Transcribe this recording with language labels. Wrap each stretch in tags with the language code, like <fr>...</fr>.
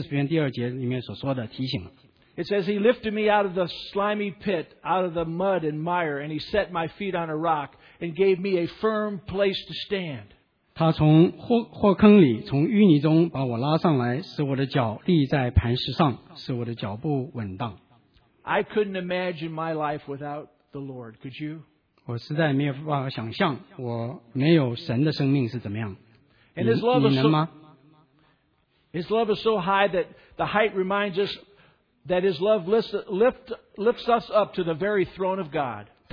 <zh>当我思考思想我自己的生命的时候，我就提醒，被诗篇40篇第二节里面所说的提醒了。</zh> <en>It says, He lifted me out of the slimy pit, out of the mud and mire, and He set my feet on a rock, and gave me a firm place to stand.</en> <zh>他从祸坑里，从淤泥中把我拉上来，使我的脚立在磐石上，使我的脚步稳当。</zh> <en>I couldn't imagine my life without the Lord, could you?</en> <zh>我实在没有办法想象我没有神的生命是怎么样。你能吗？</zh> <en>His love is so high that the height reminds us that His love lifts us up to the very throne of God.</en>